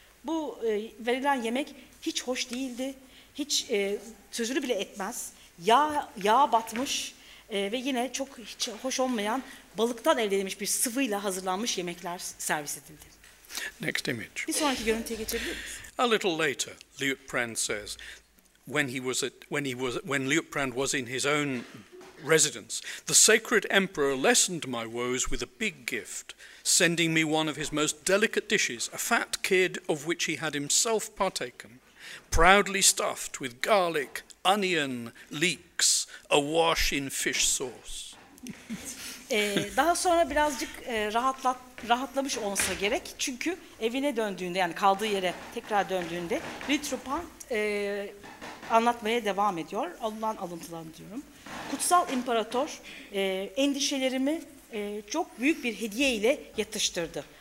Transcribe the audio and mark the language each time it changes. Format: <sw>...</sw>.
<tr>Bu verilen yemek hiç hoş değildi, hiç sözünü bile etmez. Yağ batmış ve yine çok hiç hoş olmayan balıktan elde edilmiş bir sıvıyla hazırlanmış yemekler servis edildi.</tr> <en>Next image.</en> <tr>Bir sonraki görüntüye geçebilir miyiz?</tr> <en>A little later, Liutprand says, when Liutprand was in his own residence, "The sacred emperor lessened my woes with a big gift, sending me one of his most delicate dishes, a fat kid of which he had himself partaken, proudly stuffed with garlic, onion, leeks, awash in fish sauce."</en> <tr>Daha sonra birazcık rahatlamış olsa gerek. Çünkü evine döndüğünde, yani kaldığı yere tekrar döndüğünde Liutprand anlatmaya devam ediyor. Ondan alıntılarını diyorum. "Kutsal imparator endişelerimi çok büyük bir hediye ile yatıştırdı.</tr>